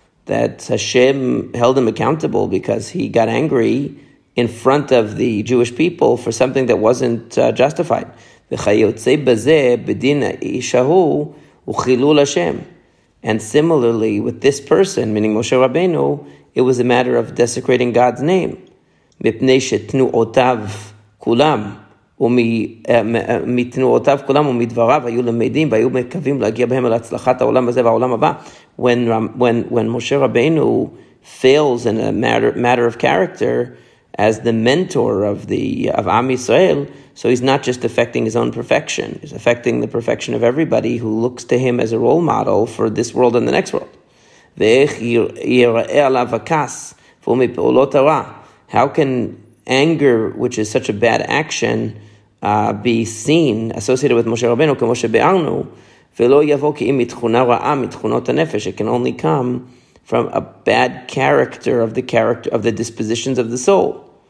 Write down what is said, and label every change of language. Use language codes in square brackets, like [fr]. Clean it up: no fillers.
[en] That Hashem held him accountable because he got angry in front of the Jewish people for something that wasn't justified. [he] V'chayotze bazeh b'din ishahu u'chilul Hashem. [en] And similarly, with this person, meaning Moshe Rabbeinu, it was a matter of desecrating God's name. [he] Mipnei she'tnu'otav kulam, ומתנועותיו כולם ומדבריו היו למדים והיו מקווים להגיע בהם אל הצלחת העולם הזה והעולם הבא. [en] When Moshe Rabbeinu fails in a matter of character as the mentor of Am Yisrael, so he's not just affecting his own perfection, he's affecting the perfection of everybody who looks to him as a role model for this world and the next world. [he] ואיך יראה עליו הכעס ומפעולות הרע. [en] How can anger, which is such a bad action, be seen, associated with Moshe Rabbeinu, [he] כמו שבארנו, ולא יבוא כי אם מתכונה רעה, מתכונות הנפש. [en] It can only come from a bad character, of the dispositions of the soul.